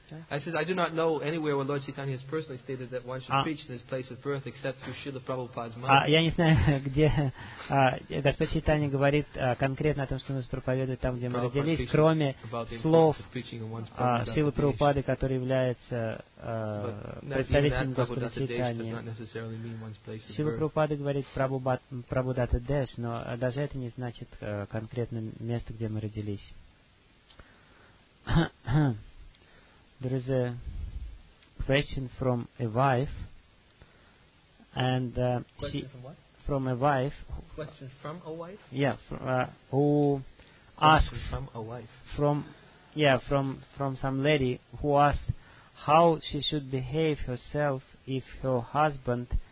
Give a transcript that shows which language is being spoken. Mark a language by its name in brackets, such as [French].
[English] I do not know anywhere where Lord Chaitanya has personally stated that one should preach in his place of birth except through Srila Prabhupada's mouth. [Russian] Я не знаю, где Господь Чайтанья говорит конкретно о том, что нужно проповедовать там, где мы родились, кроме слов Шрилы Прабхупады, который является представителем Господа Чайтанья. Шрила Прабхупада говорит Прабхудата Деш, но даже это не значит конкретно место, где мы родились. [English] There is a question from a wife, and from some lady who asked how she should behave herself if her husband,